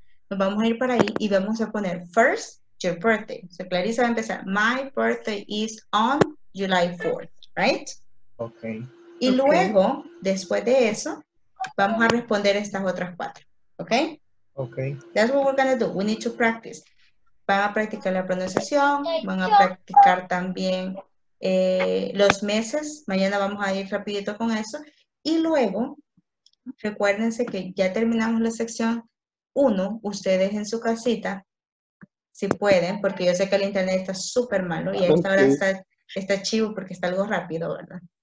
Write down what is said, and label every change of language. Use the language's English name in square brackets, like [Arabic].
[Spanish] Nos vamos a ir para ahí y vamos a poner [English] first your birthday. So Clarissa [Spanish] va a empezar, [English] my birthday is on July 4th, right? Okay. [Spanish] Y luego, después de eso, vamos a responder estas otras cuatro, okay? [English] Okay. That's what we're gonna do, we need to practice. [Spanish] Van a practicar la pronunciación, van a practicar también los meses. Mañana vamos a ir rapidito con eso. Y luego, recuérdense que ya terminamos la sección 1. Ustedes en su casita, si pueden, porque yo sé que el internet está súper malo y a esta hora está chivo porque está algo rápido, ¿verdad?